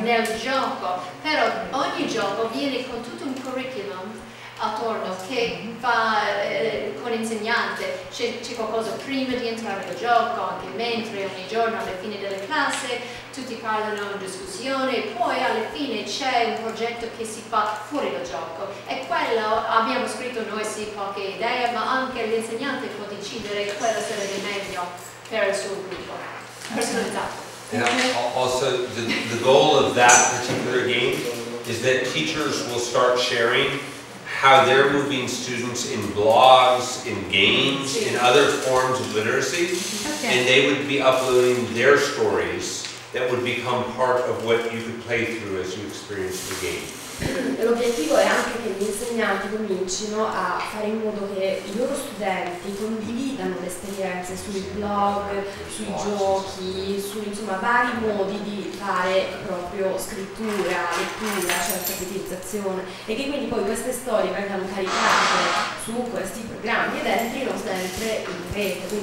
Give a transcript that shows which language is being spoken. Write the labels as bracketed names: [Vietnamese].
[Italian] Nel gioco, però ogni gioco viene con tutto un curriculum attorno che va con l'insegnante, c'è qualcosa prima di entrare nel gioco, anche mentre ogni giorno alla fine delle classi tutti parlano in discussione, poi alla fine c'è un progetto che si fa fuori dal gioco e quello abbiamo scritto noi sì qualche idea, ma anche l'insegnante può decidere quello sarebbe meglio per il suo gruppo personalizzato. [English] Also the goal of that particular game is that teachers will start sharing how they're moving students in blogs, in games, in other forms of literacy, and they would be uploading their stories that would become part of what you could play through as you experience the game. [Italian] L'obiettivo è anche che gli insegnanti comincino a fare in modo che i loro studenti condividano le esperienze sui blog, sui giochi, su insomma vari modi di fare proprio scrittura, lettura, certa utilizzazione, e che quindi poi queste storie vengano caricate su questi programmi ed entrino sempre in rete.